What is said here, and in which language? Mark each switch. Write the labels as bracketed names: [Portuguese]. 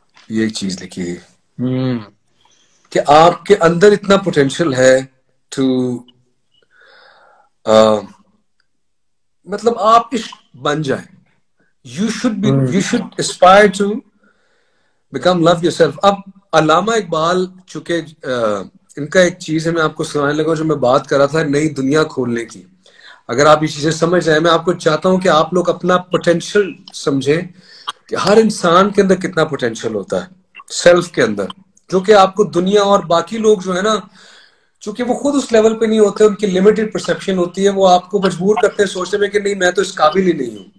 [Hindi] ये चीज लिखी है कि आपके अंदर इतना potential है to मतलब आप इश्क बन जाए. [English] You should aspire to become love yourself. [Hindi] अब अलामा इकबाल चुके इनका एक चीज है, मैं आपको सुनाने लगा जो मैं बात कर रहा था नई दुनिया खोलने की. अगर आप ये चीजें समझ जाए, मैं आपको चाहता हूं कि आप लोग अपना पोटेंशियल समझें कि हर इंसान के अंदर कितना पोटेंशियल होता है सेल्फ के अंदर, जो कि आपको दुनिया और बाकी लोग जो है ना, चूंकि वो खुद उस लेवल पे नहीं होते, उनकी लिमिटेड परसेप्शन होती है, वो आपको मजबूर करते हैं सोचने में कि नहीं मैं तो इस काबिल ही नहीं हूं.